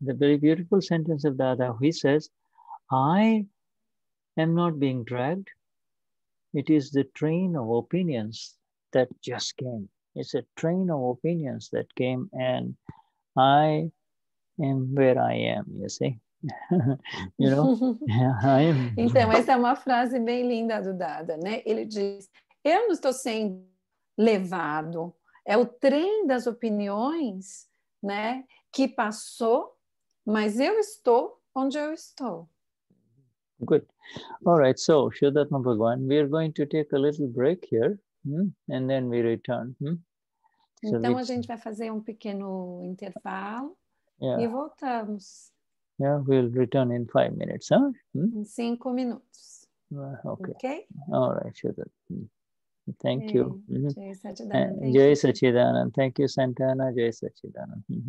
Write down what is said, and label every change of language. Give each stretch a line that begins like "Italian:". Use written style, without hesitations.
English: The very beautiful sentence of Dada, he says, I am not being dragged. It is the train of opinions that just came. It's a train of opinions that came and I am where I am, you see? You know?
Portuguese: Então, essa é uma frase bem linda do Dada, né? Ele diz, eu não estou sendo levado, é o trem das opiniões, né, que passou, mas eu estou onde eu estou.
English: Good. All right, so, Shudatma Bhagwan, we are going to take a little break here, and then we return.
Portuguese: Então, a gente vai fazer um pequeno intervalo e voltamos.
English: Yeah, we'll return in 5 minutes, huh?
Portuguese: Em 5 minutos.
English: Okay. Okay? All right, Shudat. Thank you. Jai Sachidananda. Thank you, Santana. Jai Sachidananda.